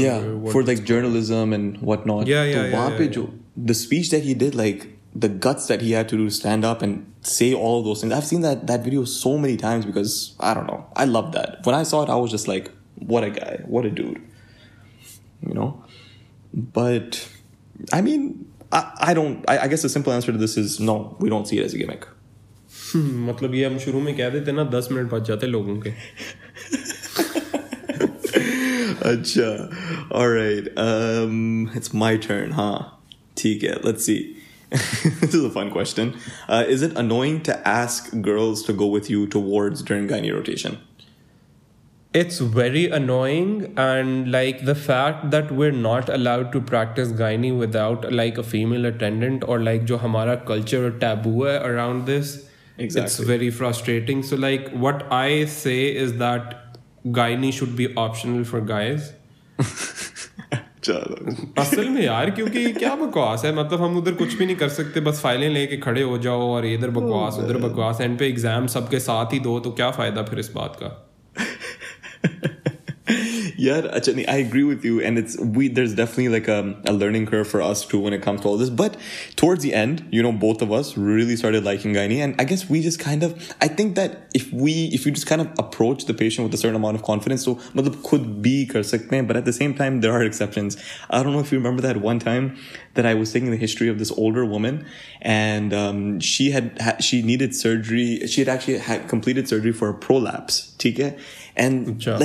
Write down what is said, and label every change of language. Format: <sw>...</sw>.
<en>Yeah, what for like journalism and whatnot. The speech that he did, like the guts that he had to do to stand up and say all of those things. I've seen that video so many times because, I don't know, I love that. When I saw it, I was just like, what a guy, what a dude, you know? But, I mean, I guess the simple answer to this is no, we don't see it as a gimmick.</en> <hi>मतलब ये हम शुरू में कह देते ना 10 minute बच जाते लोगों के</hi> <en>अच्छा all right it's my turn huh ठीक है let's see this is a fun question is it annoying to ask girls to go with you to wards during gynae rotation it's very annoying and like the fact that we're not allowed to practice gynae without like a female attendant or like जो हमारा culture or taboo है around this Exactly. It's very frustrating. So, like, what I say is that gynae should be optional for guys.</en> <hi>चलो. असल में यार क्योंकि क्या बकवास है मतलब हम उधर कुछ भी नहीं कर सकते बस फाइलें लेके खड़े हो जाओ और इधर बकवास उधर बकवास एंड पे एग्जाम सबके साथ ही दो तो क्या फायदा फिर इस बात का यार अच्छा नहीं</hi> <en>I agree with you and there's definitely like a learning curve for us too when it comes to all this but towards the end you know both of us really started liking gynae and I guess we just kind of I think that if we just kind of approach the patient with a certain amount of confidence so</en> <hi>मतलब खुद भी कर सकते हैं</hi> <en>but at the same time there are exceptions I don't know if you remember that one time that I was taking the history of this older woman and she needed surgery she had actually had completed surgery for a prolapse ठीक है and अच्छा.</en>